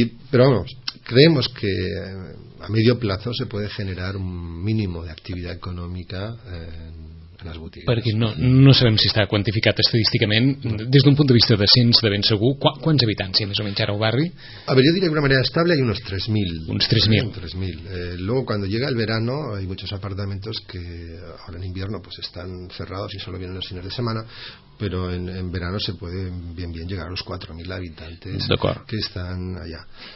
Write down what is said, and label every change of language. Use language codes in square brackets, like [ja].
[es] Pero vamos, creemos que a medio plazo se puede generar un mínimo de actividad económica en las boutiques. [ca] Perquè no sabem si està quantificat estadísticament, des d'un punt de vista de cens, de ben segur, quants habitants hi ha més o menys ara al barri? [es] A ver, yo diría que de una manera estable hay unos 3.000. [ca] Uns 3.000. [es] Luego, cuando llega el verano, hay muchos apartamentos que ahora en invierno pues están cerrados y solo vienen los fines de semana, pero en verano se puede bien llegar a los 4.000 habitantes que están allà.